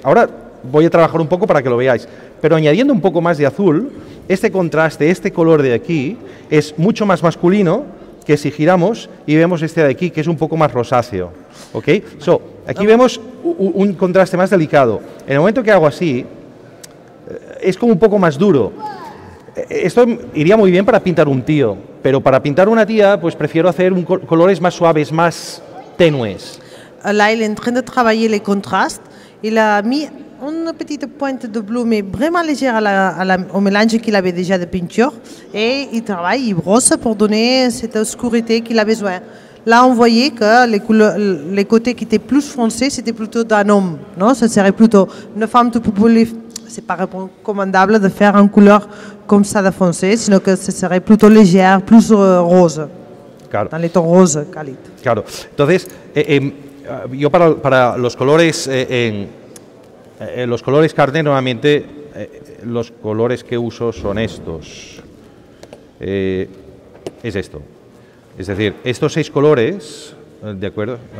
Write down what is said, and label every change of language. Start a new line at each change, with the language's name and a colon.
Spanish: Ahora voy a trabajar un poco para que lo veáis, pero añadiendo un poco más de azul, este contraste, este color de aquí, es mucho más masculino que si giramos y vemos este de aquí, que es un poco más rosáceo. ¿Ok? So, aquí vemos un contraste más delicado. En el momento que hago así, es como un poco más duro. Esto iría muy bien para pintar un tío, pero para pintar una tía, pues prefiero hacer colores más suaves, más tenues.
French: là, il est en train de travailler les contrastes. Il a mis une petite pointe de bleu, mais vraiment légère au mélange qu'il avait déjà de peinture. Et il travaille, il brosse pour donner cette obscurité qu'il a besoin. Là, on voyait que les côtés qui étaient plus foncés, c'était plutôt d'un homme. Non, ce serait plutôt une femme tout populaire. Ce n'est pas recommandable de faire une couleur comme ça de foncé, sinon que ce serait plutôt légère, plus rose.
Spanish: Claro.
French: Dans les tons roses, Khalid.
Spanish: Claro. Entonces, yo para los colores, los colores carne, normalmente los colores que uso son estos. Es esto. Es decir, estos seis colores, ¿de acuerdo?